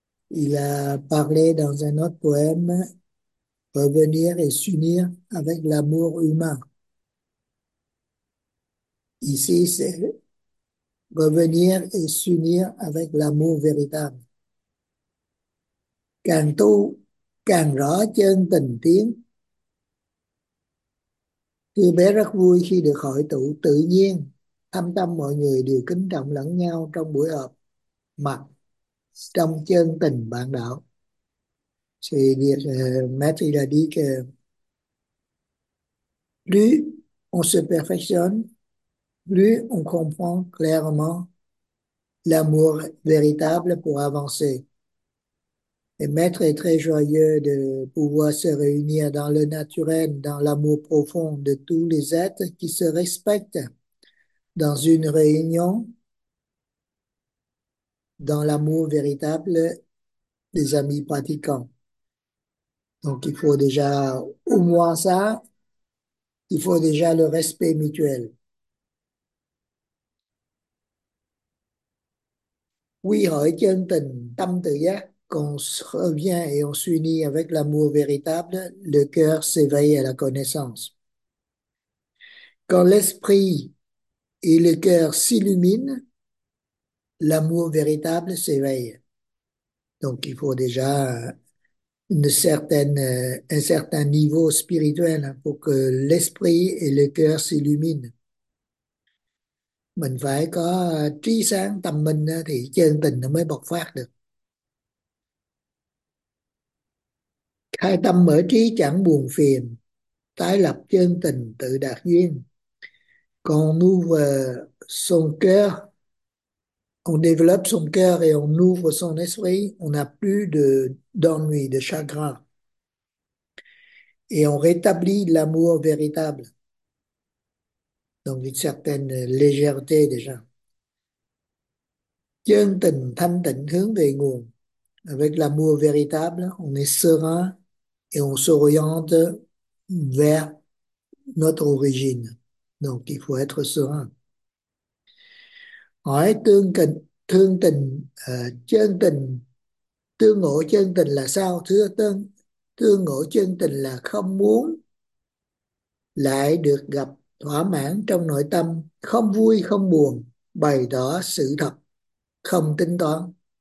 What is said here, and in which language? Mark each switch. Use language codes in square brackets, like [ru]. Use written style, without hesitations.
[fr] Il a parlé dans un autre poème, revenir et s'unir avec l'amour humain. Ici, c'est revenir et s'unir avec l'amour véritable. [vi] Càng tu, càng rõ chân tình tiến. Đứa bé rất vui khi được hội tụ tự nhiên, thâm tâm mọi người đều kính trọng lẫn nhau trong buổi họp mặt trong chân tình bạn đạo. Thì Matthew đã đi kìa. [fr] Plus on se perfectionne, plus on comprend clairement l'amour véritable pour avancer. Et Maître est très joyeux de pouvoir se réunir dans le naturel, dans l'amour profond de tous les êtres qui se respectent dans une réunion, dans l'amour véritable des amis pratiquants. Donc il faut déjà, au moins ça, il faut déjà le respect mutuel. Oui, [vi] hỏi chân tình, tâm tự giác. [fr] Qu'on revient et on s'unit avec l'amour véritable, le cœur s'éveille à la connaissance. Quand l'esprit et le cœur s'illuminent, l'amour véritable s'éveille. Donc il faut déjà un certain niveau spirituel pour que l'esprit et le cœur s'illuminent. [vi] Mình phải có trí sáng tâm minh thì chân tình nó mới bộc phát được. Khai tâm mở trí chẳng buồn phiền, tái lập chân tình tự đạt duyên. Còn [fr] on ouvre son cœur, on développe son cœur et on ouvre son esprit, on n'a plus d'ennui, de chagrin. Et on rétablit l'amour véritable. Donc une certaine légèreté déjà. [vi] Chân tình thanh tịnh hướng về nguồn. [fr] Avec l'amour véritable, on est serein. Et on s'oriente vers notre origine. Donc, il faut être serein. [vi] Hỏi thương tình, chân tình, tương ngộ chân tình là sao? Thưa tương ngộ chân tình là không muốn lại được gặp thỏa mãn trong nội tâm, không vui, không buồn, bày tỏ sự thật, không tính toán.